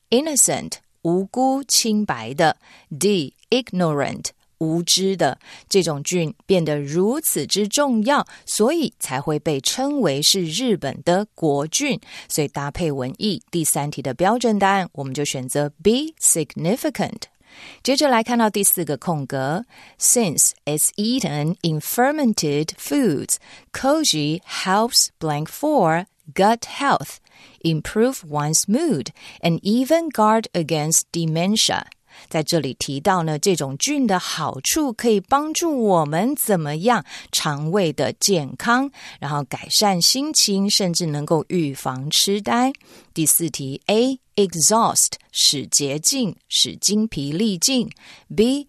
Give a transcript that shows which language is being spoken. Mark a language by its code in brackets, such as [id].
[zh] Innocent无辜清白的 D. Ignorant 无知的。这种菌变得如此之重要，所以才会被称为是日本的国菌。所以搭配文意第三题的标准答案我们就选择 B. [en] Significant。 [zh] 接着来看到第四个空格 [en] Since it's eaten in fermented foods, Koji helps blank for gut healthimprove one's mood, and even guard against dementia. [zh] 在这里提到呢，这种菌的好处可以帮助我们怎么样肠胃的健康，然后改善心情，甚至能够预防痴呆。第四题 A. Exhaust 使竭尽，使精疲力尽 B.